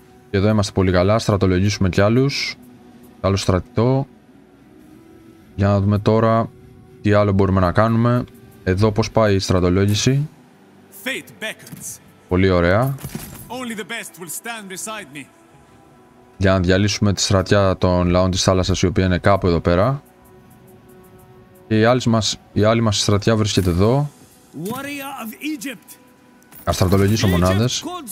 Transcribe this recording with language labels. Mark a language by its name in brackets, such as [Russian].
[Greek] Και εδώ είμαστε πολύ καλά. Στρατολογήσουμε κι άλλους. Άλλο στρατητό. Για να δούμε τώρα τι άλλο μπορούμε να κάνουμε. Εδώ πώς πάει η στρατολόγηση. [English] Fate beckons. [Greek] Πολύ ωραία. [English] Only the best will stand beside me. [Greek] Για να διαλύσουμε τη στρατιά των λαών της θάλασσας, η οποία είναι κάπου εδώ πέρα. Και η άλλη μας στρατιά βρίσκεται εδώ. [English] Warrior of Egypt. [Greek] Ας στρατολογήσω μονάδες.